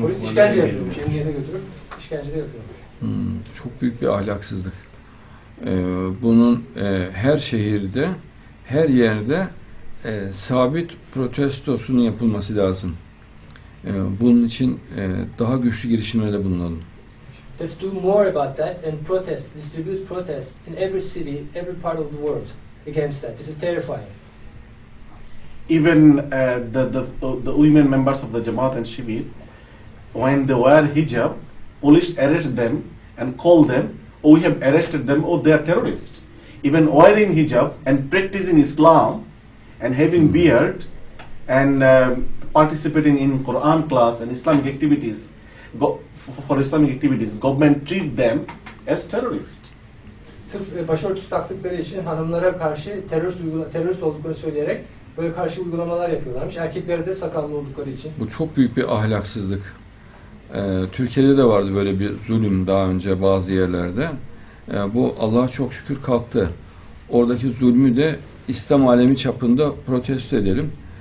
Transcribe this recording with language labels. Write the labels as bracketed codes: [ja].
[tr] polis işkence yapıyormuş, emniyete götürüp. Çok büyük bir ahlaksızlık. Bunun her şehirde, her yerde sabit protestosunun yapılması lazım. Bunun için daha güçlü girişimlerde bulunalım. [en] Let's do more about that and protest, distribute protest in every city, every part of the world against that. This is terrifying. Even the women members of the Jamaat and Shibir, when they wear hijab, police arrest them and call them, oh, we have arrested them, oh, they are terrorists. Even wearing hijab and practicing Islam and having beard and participating in Quran class and Islamic activities, government treat them as terrorists. [tr] Sırf başörtüsü taktıkları için hanımlara karşı terörist olduklarını söyleyerek böyle karşı uygulamalar yapıyorlarmış. Erkeklere de sakallı oldukları için. Bu çok büyük bir ahlaksızlık. Türkiye'de de vardı böyle bir zulüm daha önce bazı yerlerde. Bu Allah'a çok şükür kalktı. Oradaki zulmü de İslam alemi çapında protesto edelim.